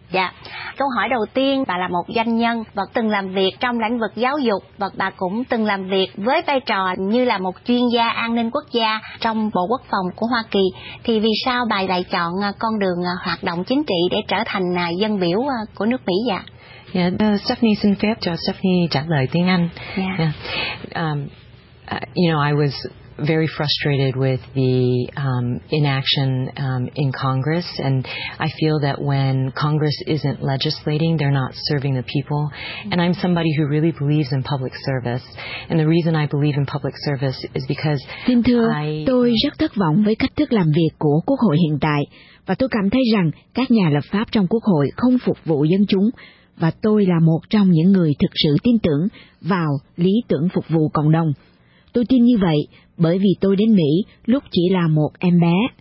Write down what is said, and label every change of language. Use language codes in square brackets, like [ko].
[vi] Dạ, câu hỏi đầu tiên, bà là một doanh nhân và từng làm việc trong lĩnh vực giáo dục và bà cũng từng làm việc với vai trò như là một chuyên gia an ninh quốc gia trong Bộ Quốc phòng của Hoa Kỳ. Thì vì sao bà lại chọn con đường hoạt động chính trị để trở thành dân biểu của nước Mỹ vậy? Dạ, Stephanie xin phép cho Stephanie trả lời tiếng Anh. [en] You know, I was very frustrated with the inaction in Congress, and I feel that when Congress isn't legislating, they're not serving the people. And I'm somebody who really believes in public service, and the reason I believe in public service is because [vi] xin thưa, tôi rất thất vọng với cách thức làm việc của Quốc hội hiện tại, và tôi cảm thấy rằng các nhà lập pháp trong Quốc hội không phục vụ dân chúng, và tôi là một trong những người thực sự tin tưởng vào lý tưởng phục vụ cộng đồng. Tôi tin như vậy bởi vì tôi đến Mỹ lúc chỉ là một em bé.